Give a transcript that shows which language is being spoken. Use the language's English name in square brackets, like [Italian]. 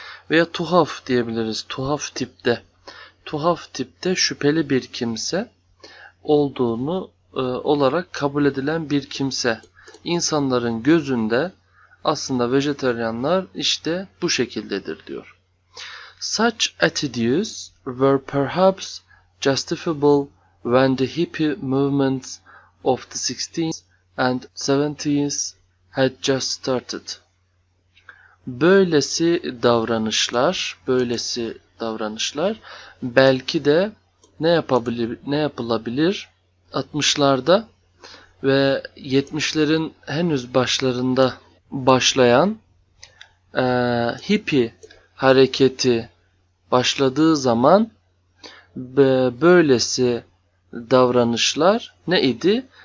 [Turkish] Veya tuhaf diyebiliriz. Tuhaf tipte. Tuhaf tipte şüpheli bir kimse olduğunu olarak kabul edilen bir kimse. İnsanların gözünde aslında vejeteryanlar işte bu şekildedir diyor. [English] Such attitudes were perhaps justifiable when the hippie movements of the 16th and 17th had just started. [Turkish] Böylesi davranışlar belki de ne yapılabilir 60'larda ve 70'lerin henüz başlarında başlayan hippie hareketi başladığı zaman böylesi davranışlar neydi?